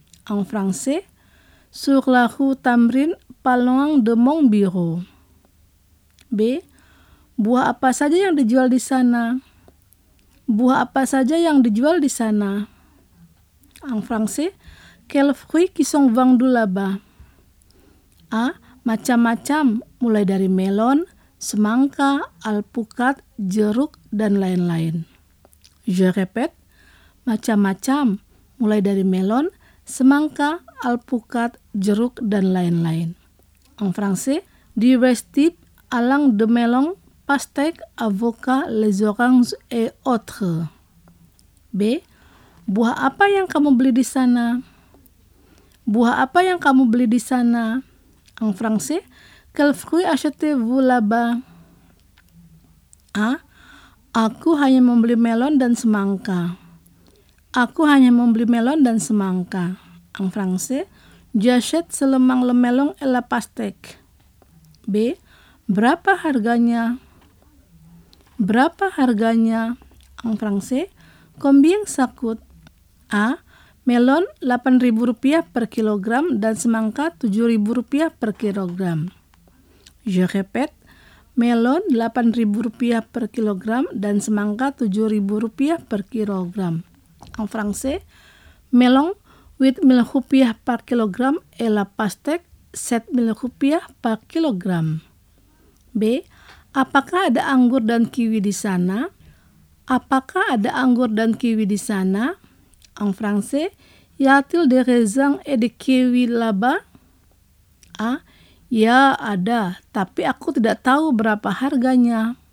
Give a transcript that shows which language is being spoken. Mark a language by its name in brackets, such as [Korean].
[French] En français, sur la rue Tamrin, pas loin de mon bureau. B. [Indonesian] Buah apa saja yang dijual di sana? Buah apa saja yang dijual di sana? [French] En français, quels fruits qui sont vendus là-bas? [Indonesian] A. Macam-macam, mulai dari melon, semangka, alpukat, jeruk, dan lain-lain. [French] Je répète, [Indonesian] macam-macam, mulai dari melon, semangka, alpukat, jeruk, dan lain-lain. [French] En français, divers types allant de melon, pastèque, avocat, les oranges et autres. B. [Indonesian] Buah apa yang kamu beli di sana? Buah apa yang kamu beli di sana? [French] En français, quel fruit achetez-vous là-bas? A. [Indonesian] Aku hanya membeli melon dan semangka. Aku hanya membeli melon dan semangka. [French] En français, j'achète seulement le melon et la pastèque. B. [Indonesian] Berapa harganya? Berapa harganya? [French] En français, combien ça coûte? [Indonesian] A. Melon Rp8.000 per kilogram dan semangka Rp7.000 per kilogram. [French] Je répète, [Indonesian] melon Rp8.000 per kilogram dan semangka Rp7.000 per kilogram. [French] En français, melon Rp8.000 per kilogram et la pastèque Rp7.000 per kilogram. B. [Indonesian] Apakah ada anggur dan kiwi di sana? Apakah ada anggur dan kiwi di sana? [French] En français, y a-t-il des raisins et des kiwis là-bas? A. [Indonesian] Ya, ada, tapi aku tidak tahu berapa harganya.